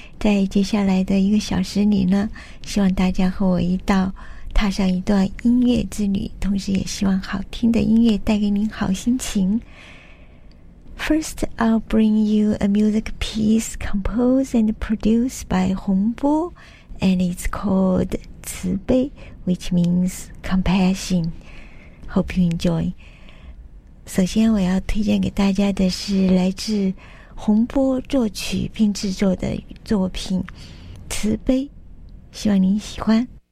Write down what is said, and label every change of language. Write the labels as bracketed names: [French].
[Chinese] 在接下来的一个小时里呢，希望大家和我一道踏上一段音乐之旅，同时也希望好听的音乐带给您好心情。 [English] First, I'll bring you a music piece composed and produced by 洪波 and it's called 慈悲。 Which means compassion. Hope you enjoy. [Chinese] 首先我要推荐给大家的是来自洪波作曲并制作的作品《慈悲》，希望您喜欢。